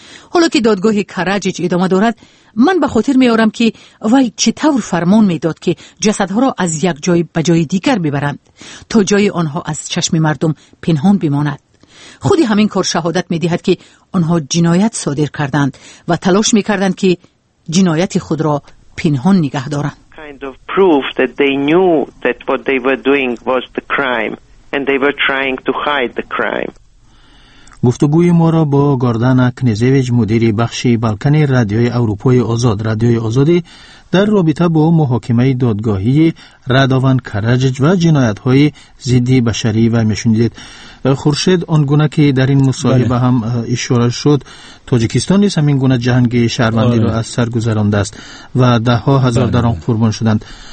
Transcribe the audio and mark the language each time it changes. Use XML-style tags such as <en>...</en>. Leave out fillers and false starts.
<fa>حالا که دادگاه کراجیچ ادامه دارد، من به خاطر می آورم که وی چه طور فرمان می داد که جسدها را از یک جای به جای دیگر ببرند تا جای آنها از چشم مردم پنهان بماند. خودی همین کار شهادت می دهد که آنها جنایت صادر کردند و تلاش می کردند که جنایت خود را پنهان نگه دارند.</fa> <en>Kind of proof that they knew that what they were doing was the crime and they were trying to hide the crime.</en> <fa>گفتگوی ما را با گاردانا کنیزویچ مدیر بخش بالکان رادیوی اروپای آزاد رادیوی آزادی در رابطه با محاکمه دادگاهی رادوان کراجیچ و جنایت های ضد بشری و میشنیدید. خورشید، آنگونه که در این مصاحبه هم اشاره شد، تاجیکستان نیز همین گونه جنگ شهروندی را از سر گذرانده است و ده ها هزار در آن قربان شدند.</fa>